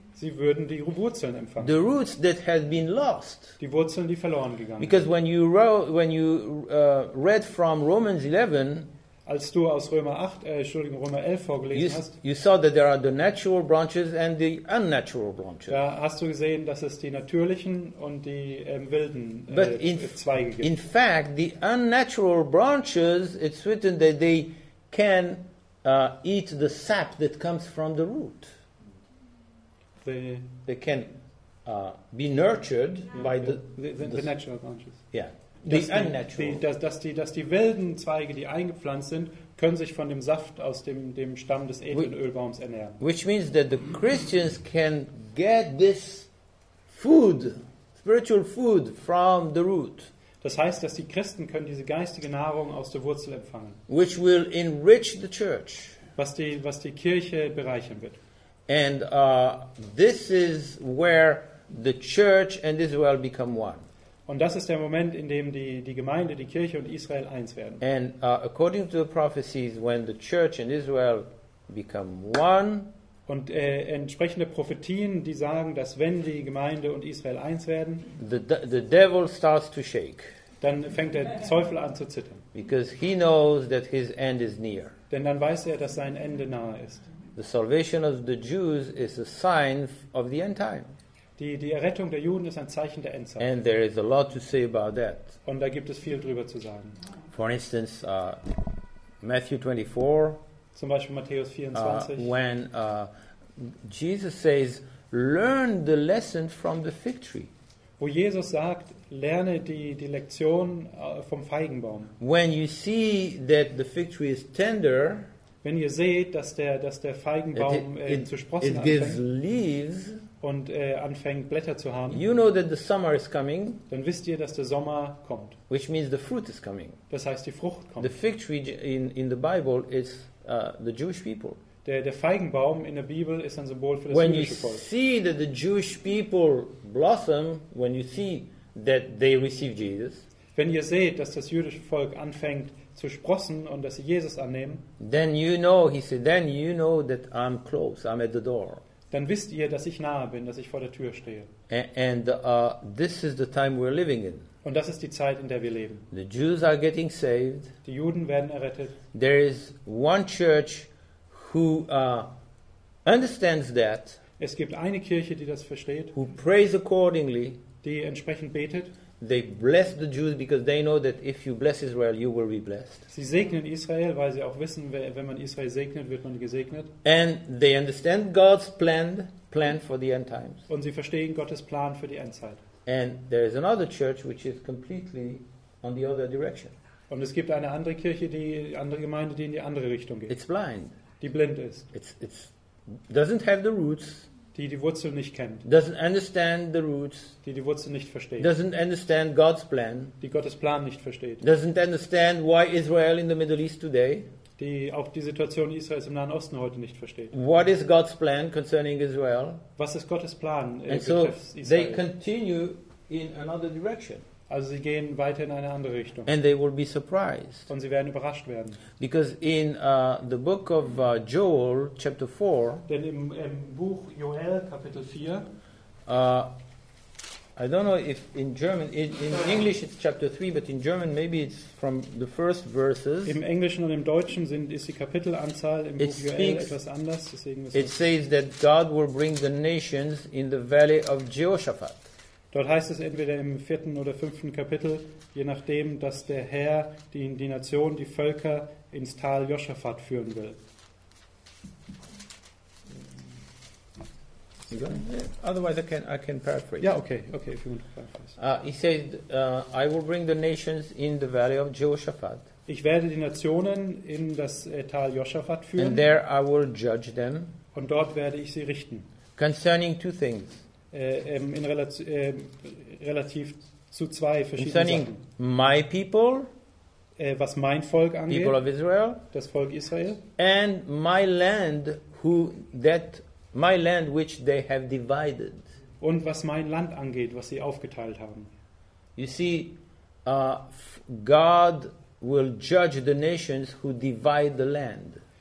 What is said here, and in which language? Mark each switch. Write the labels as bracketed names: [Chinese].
[German] Sie würden die Wurzeln empfangen. [English] The roots that had been lost. [German] Die Wurzeln, die verloren gegangen sind. [English] Because when you read from Romans 11, [German] als du aus Römer 11 vorgelesen hast, [English] you saw that there are the natural branches and the unnatural branches. [German] Da hast du gesehen, dass es die natürlichen und die wilden Zweige gibt. [English] In fact, the unnatural branches, it's written that they can eat the sap that comes from the root. They can be nurtured by the natural branches. Yeah, the unnatural. [German] Dass die wilden Zweige, die eingepflanzt sind, können sich von dem Saft aus dem Stamm des edlen Ölbaums ernähren. [English] Which means that the Christians can get this food, spiritual food, from the root. [German] Das heißt, dass die Christen können diese geistige Nahrung aus der Wurzel empfangen. [English] Which will enrich the church. [German] Was die Kirche bereichern wird. [English] And this is where the church and Israel become one. [German] Und das ist der Moment, in dem die Gemeinde, die Kirche und Israel eins werden. [English] And according to the prophecies, when the church and Israel become one. [German] Und entsprechende Prophetien, die sagen, dass wenn die Gemeinde und Israel eins werden, [English] the devil starts to shake. [German] Dann fängt der Teufel an zu zittern. [English] Because he knows that his end is near. [German] Denn dann weiß er, dass sein Ende nahe ist. [English] The salvation of the Jews is a sign of the end time. [German] Die Errettung der Juden ist ein Zeichen der Endzeit. [English] And there is a lot to say about that. [German] Und da gibt es viel drüber zu sagen. [English] For instance, Matthew 24. [German] Zum Beispiel Matthäus 24. [English] When Jesus says, learn the lesson from the fig tree. [German] wo Jesus sagt, lerne die Lektion vom Feigenbaum. [English] When you see that the fig tree is tender, [German] wenn ihr seht, dass der Feigenbaum zu sprossen anfängt, [English] gives leaves, [German] und anfängt Blätter zu haben, [English] you know that the summer is coming, [German] dann wisst ihr, dass der Sommer kommt. [English] Which means the fruit is coming. [German] Das heißt, die Frucht kommt. [English] The fig tree in the Bible is the Jewish people. [German] Der Feigenbaum in der Bibel ist ein Symbol für das [English] when [German] jüdische Volk. [English] When you see that the Jewish people blossom, when you see that they receive Jesus, [German] wenn ihr seht, dass das jüdische Volk anfängt zu sprossen und dass sie Jesus annehmen, [English] then you know, he said, then you know that I'm close, I'm at the door. [German] Dann wisst ihr, dass ich nahe bin, dass ich vor der Tür stehe. [English] And this is the time we're living in. [German] Und das ist die Zeit, in der wir leben. [English] The Jews are getting saved. [German] Die Juden werden errettet. [English] There is one church who understands that. [German] Es gibt eine Kirche, die das versteht. [English] Who prays accordingly. [German] Die entsprechend betet. [English] They bless the Jews because they know that if you bless Israel, you will be blessed. [German] Sie segnen Israel, weil sie auch wissen, wenn man Israel segnet, wird man gesegnet. [English] And they understand God's plan for the end times. [German] Und sie verstehen Gottes Plan für die Endzeit. [English] And there is another church which is completely on the other direction. [German] Und es gibt eine andere Kirche, die andere Gemeinde, die in die andere Richtung geht. [English] It's blind. [German] Die blind ist. [English] It's doesn't have the roots. [German] Die Wurzel nicht kennt. [English] Doesn't understand the roots. [German] Die Wurzel nicht versteht. [English] Doesn't understand God's plan. [German] Die Gottes Plan nicht versteht. [English] Doesn't understand why Israel in the Middle East today. [German] Die auch die Situation Israels im Nahen Osten heute nicht versteht. [English] What is God's plan concerning Israel? [German] Was ist Gottes Plan betreffend Israel? [English] And so they continue in another direction. [German] Also sie gehen weiter in eine andere Richtung. [English] And they will be surprised. [German] Und sie werden überrascht werden. [English] Because in the book of Joel, chapter 4. [German] Denn im Buch Joel, Kapitel 4. [English] I don't know if in German, in English it's chapter 3, but in German maybe it's from the first verses. [German] Im Englischen und im Deutschen ist die Kapitelanzahl im Buch Joel etwas anders. Deswegen [English] it says that God will bring the nations in the valley of Jehoshaphat. [German] Dort heißt es entweder im vierten oder fünften Kapitel, je nachdem, dass der Herr die Nation, die Völker ins Tal Josaphat führen will. [English] Otherwise I can paraphrase. Yeah, okay, if you want to paraphrase. He said, I will bring the nations in the valley of Jehoshaphat. [German] Ich werde die Nationen in das Tal Josaphat führen. [English] And there I will judge them. [German] Und dort werde ich sie richten. [English] Concerning two things. [German] In relativ zu zwei verschiedenen [English] Concerning [German] Sachen. [English] My people, [German] was mein Volk angeht, [English] people of Israel, [German] das Volk Israel, [English] and my land, my land which they have divided. [German] Und was mein Land angeht, was sie aufgeteilt haben. [English] You see, God will judge the nations who divide the land.